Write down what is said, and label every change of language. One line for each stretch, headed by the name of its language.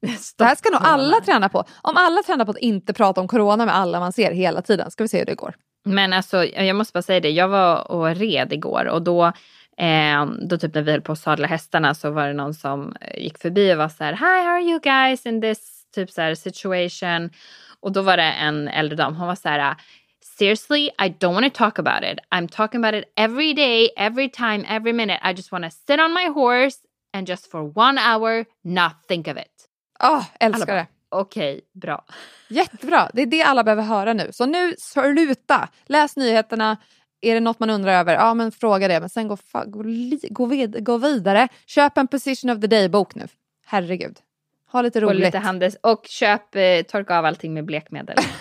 Swedish: Stopp det här ska nog alla träna på. Om alla tränar på att inte prata om corona med alla man ser hela tiden. Ska vi se hur det går. Men alltså, jag måste bara säga det. Jag var och red igår. Och då typ när vi höll på att sadla hästarna så var det någon som gick förbi och var så här: "Hi, how are you guys in this typ så här situation?" Och då var det en äldre dam.
English: Hon var så här: "Seriously, I don't want to talk about it. I'm talking about it every day, every time, every minute. I just want to sit on my horse and just for 1 hour not think of it."
Swedish: Åh, oh, älskar bara, det. Okej, bra. Jättebra. Det är det alla behöver höra nu. Så nu sluta. Läs nyheterna. Är det något man undrar över? Ja, men fråga det. Men sen gå vidare. Köp en Position of the Day-bok nu. Herregud. Ha lite roligt. Och lite handels. Och köp, torka av allting med blekmedel.